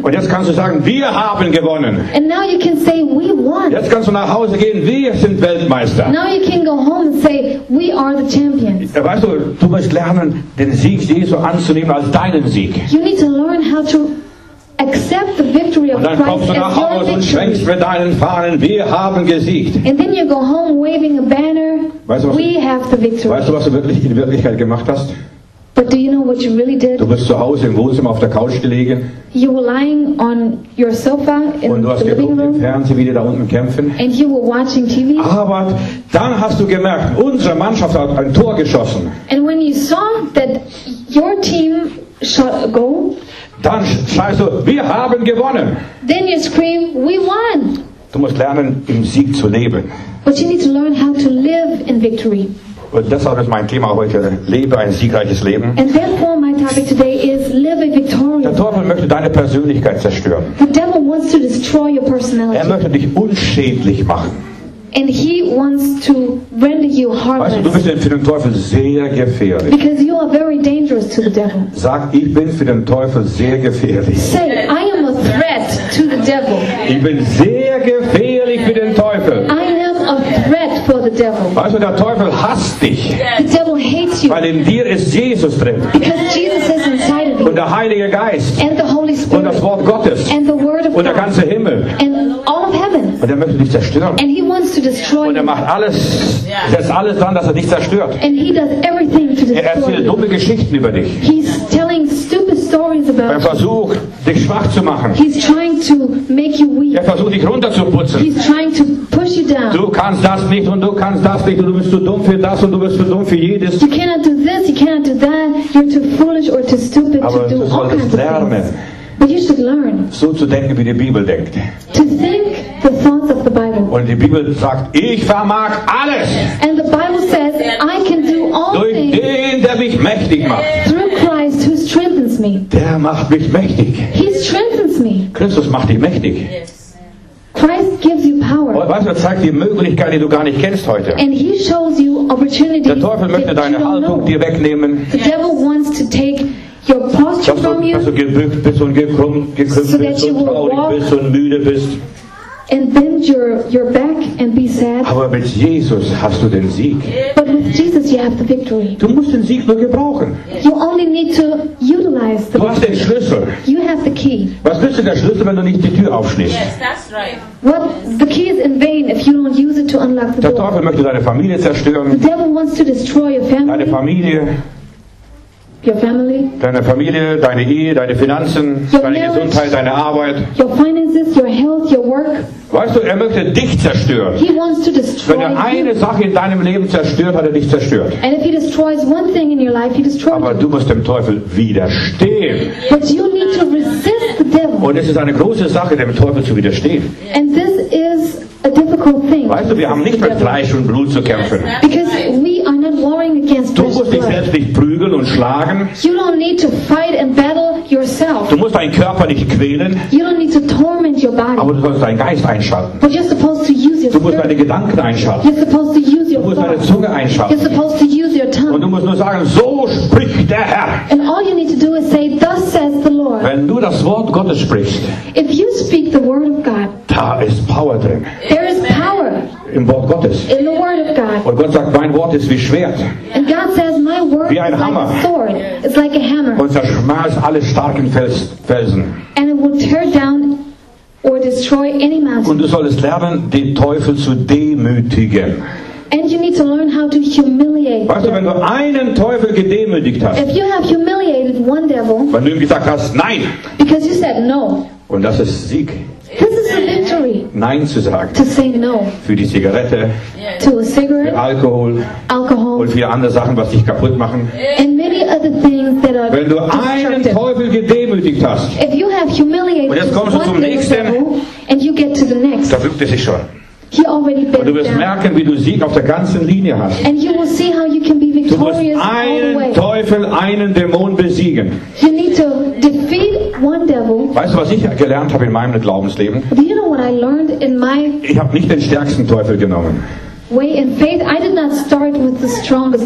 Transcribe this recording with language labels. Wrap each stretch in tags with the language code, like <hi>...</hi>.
<de>Und jetzt kannst du sagen, wir haben gewonnen.</de> <en>And now you can say, we won.</en> <de>Jetzt kannst du nach Hause gehen, wir sind Weltmeister.</de> <en>Now you can go home and say, we are the champions.</en> <de>Weißt du, du musst lernen, den Sieg Jesu anzunehmen als deinen Sieg.</de> <en>You need to learn how to accept the victory of Christ as your victory.</en> <de>Und dann kommst du nach Hause und schwenkst mit deinen Fahnen. Wir haben gesiegt.</de> <en>And then you go home waving a banner.</en> <de>Weißt du,</de> <en>we have the victory.</en> <de>Weißt du, was du wirklich in Wirklichkeit gemacht hast?</de> <en>But do you know what you really did?</en> <de>Du bist zu Hause im Wohnzimmer auf der Couch gelegen.</de> <en>You were lying on your sofa in</en> <de>und du hast geguckt im Fernsehen, wie die da unten kämpfen.</de> <en>And you were watching TV.</en> <de>Aber dann hast du gemerkt, unsere Mannschaft hat ein Tor geschossen.</de> <en>And when you saw that your team shot a goal,</en> <de>dann schreist du, wir haben gewonnen.</de> <en>Then you scream, we won.</en> <de>Du musst lernen, im Sieg zu leben.</de> <en>But you need to learn how to live in victory.</en> <de>Und deshalb ist mein Thema heute, lebe ein siegreiches Leben.</de> <en>And therefore my topic today is live a victorious life.</en> <de>Der Teufel möchte deine Persönlichkeit zerstören.</de> <en>The devil wants to destroy your personality.</en> <de>Er möchte dich unschädlich machen.</de> <en>And he wants to render you harmless.</en> <de>Weißt du, du bist für den Teufel sehr gefährlich.</de> <en>Because you are very dangerous to the devil.</en> <de>Sag, ich bin für den Teufel sehr gefährlich.</de> <en>Say, I am a threat to the devil.</en> <de>Ich bin sehr gefährlich für den Teufel.</de> <en>I am a threat for the devil.</en> <de>Weißt du, der Teufel hasst dich.</de> <en>The devil hates you.</en> <de>Weil in dir ist Jesus drin.</de> <en>Because Jesus is inside of you.</en> <de>Und der Heilige Geist.</de> <en>And the Holy Spirit.</en> <de>Und das Wort Gottes.</de> <en>And the Word of God.</en> <de>Und der ganze Himmel.</de> <en>And all of heaven.</en> <de>Und er möchte dich zerstören.</de> <en>And he wants to destroy</en> <de>und er macht alles, setzt alles dran, dass er dich zerstört.</de> <en>And he does everything to destroy</en> <de>er erzählt dumme</de> <en>you.</en> <de>Geschichten über dich.</de> <en>He's telling stupid stories about</en> <de>er versucht, dich schwach zu machen.</de> <en>He's trying to make you weak.</en> <de>Er versucht, dich runterzuputzen.</de> <en>He's trying to push you down.</en> <de>Du kannst das nicht und du kannst das nicht und du bist zu dumm für das und du bist zu dumm für jedes.</de> <en>You cannot do this, you cannot do that. You're too foolish or too stupid</en> <de>aber Aber du solltest lernen.</de> <en>But you should learn</en> <de>so zu denken, wie die Bibel denkt.</de> <en>To think the thoughts of the Bible.</en> <de>Und die Bibel sagt, ich vermag alles.</de> <en>And the Bible says, I can do all</en> <de>durch</de> <en>things.</en> <de>Durch den, der mich mächtig macht.</de> <en>Through Christ who strengthens me.</en> <de>Der macht mich mächtig.</de> <en>He strengthens me.</en> <de>Christus macht dich mächtig.</de> <en>Yes. Christ gives you power.</en> <de>Und weißt du, er zeigt dir Möglichkeiten, die du gar nicht kennst heute.</de> <en>And he shows you opportunities.</en> <de>Der Teufel möchte deine Haltung dir wegnehmen.</de> <en>The devil wants to take your posture</en> <de>dass du,</de> <en>from you,</en> <de>dass du gebückt bist und gekrümmt</de> <en>so</en> <de>bist und traurig bist und müde bist.</de> <en>And bend your back and be sad.</en> <de>Aber mit Jesus hast du den Sieg.</de> <en>But with Jesus you have the victory.</en> <de>Du musst den Sieg nur gebrauchen.</de> <en>You only need to utilize the</en> <de>du hast den Schlüssel.</de> <en>You have the key.</en> <de>Was nützt der Schlüssel, wenn du nicht die Tür aufschließt?</de> <en>Yes, that's right. What, the key is in vain if you don't use it to unlock the</en> <de>der</de> <en>door.</en> <de>Der Teufel möchte deine Familie zerstören.</de> <en>The devil wants to destroy your family.</en> <de>Deine Familie.</de> <en>Your family,</en> <de>deine Familie, deine Ehe, deine Finanzen,</de> <en>your</en> <de>deine</de> <en>marriage,</en> <de>Gesundheit, deine Arbeit.</de> <en>Your finances, your health, your work.</en> <de>Weißt du, er möchte dich zerstören.</de> <en>He wants to destroy</en> <de>wenn er eine</de> <en>you.</en> <de>Sache in deinem Leben zerstört, hat er dich zerstört.</de> <en>And if he destroys one thing in your life, he destroys</en> <de>aber du musst dem Teufel widerstehen.</de> <en>But you need to resist the devil.</en> <de>Und es ist eine große Sache, dem Teufel zu widerstehen.</de> <en>And this is a difficult thing.</en> <de>Weißt du, wir haben nicht mit Fleisch und Blut zu kämpfen.</de> <en>Because we are not warring against</en> <de>du musst dich selbst nicht prügeln und schlagen.</de> <en>You don't need to fight and battle yourself.</en> <de>Du musst deinen Körper nicht quälen.</de> <en>You don't need to torment your body.</en> <de>Aber du sollst deinen Geist einschalten.</de> <en>But you're supposed to use your</en> <de>du musst deine Gedanken einschalten.</de> <en>You're supposed to use your</en> <de>du musst</de> <en>thought.</en> <de>Deine Zunge einschalten.</de> <en>You're supposed to use your tongue.</en> <de>Und du musst nur sagen, so spricht der Herr.</de> <en>And all you need to do is say, thus says the Lord.</en> <de>Wenn du das Wort Gottes sprichst,</de> <en>if you speak the word of God,</en> <de>da ist Power drin.</de> <en>There is power</en> <de>im Wort Gottes.</de> <en>In the word of God.</en> <de>Und Gott sagt, mein Wort ist wie Schwert.</de> <en>And God says, my word</en> <de>wie ein</de> <en>is</en> <de>Hammer.</de> <en>Like a sword. It's like a hammer.</en> <de>Und zerschmeißt alle starken Felsen.</de> <en>And it will tear down or destroy any mountain.</en> <de>Und du sollst lernen, den Teufel zu demütigen.</de> <en>And you need to learn how to humiliate.</en> <de>Weißt du, wenn du einen Teufel gedemütigt hast,</de> <en>if you have humiliated one devil,</en> <de>wenn du ihm gesagt hast, nein,</de> <en>because you said no,</en> <de>und das ist Sieg.</de> <en>This is a victory.</en> <de>Nein zu sagen.</de> <en>To say no.</en> <de>Für die Zigarette.</de> <en>To a cigarette.</en> <de>Für Alkohol.</de> <en>Alcohol.</en> <de>Und für andere Sachen, was dich kaputt machen.</de> <en>And many other things that are.</en> <de>Wenn du einen Teufel gedemütigt hast.</de> <en>If you have humiliated.</en> <de>Und jetzt kommst du zum nächsten.</de> <en>And you get to the next.</en> <de>Da fügt er sich schon.</de> <en>He already bent down.</en> <de>Und du wirst merken, wie du Sieg auf der ganzen Linie hast.</de> <en>And you will see how you can be victorious.</en> <de>Du musst einen Teufel, einen Dämon besiegen.</de> <en>You need to defeat one devil.</en> <de>Weißt du, was ich gelernt habe in meinem Glaubensleben?</de> <en>Do you know what I learned in my?</en> <de>Ich habe nicht den stärksten Teufel genommen.</de> <en>Way in faith, I did not start with the strongest.</en>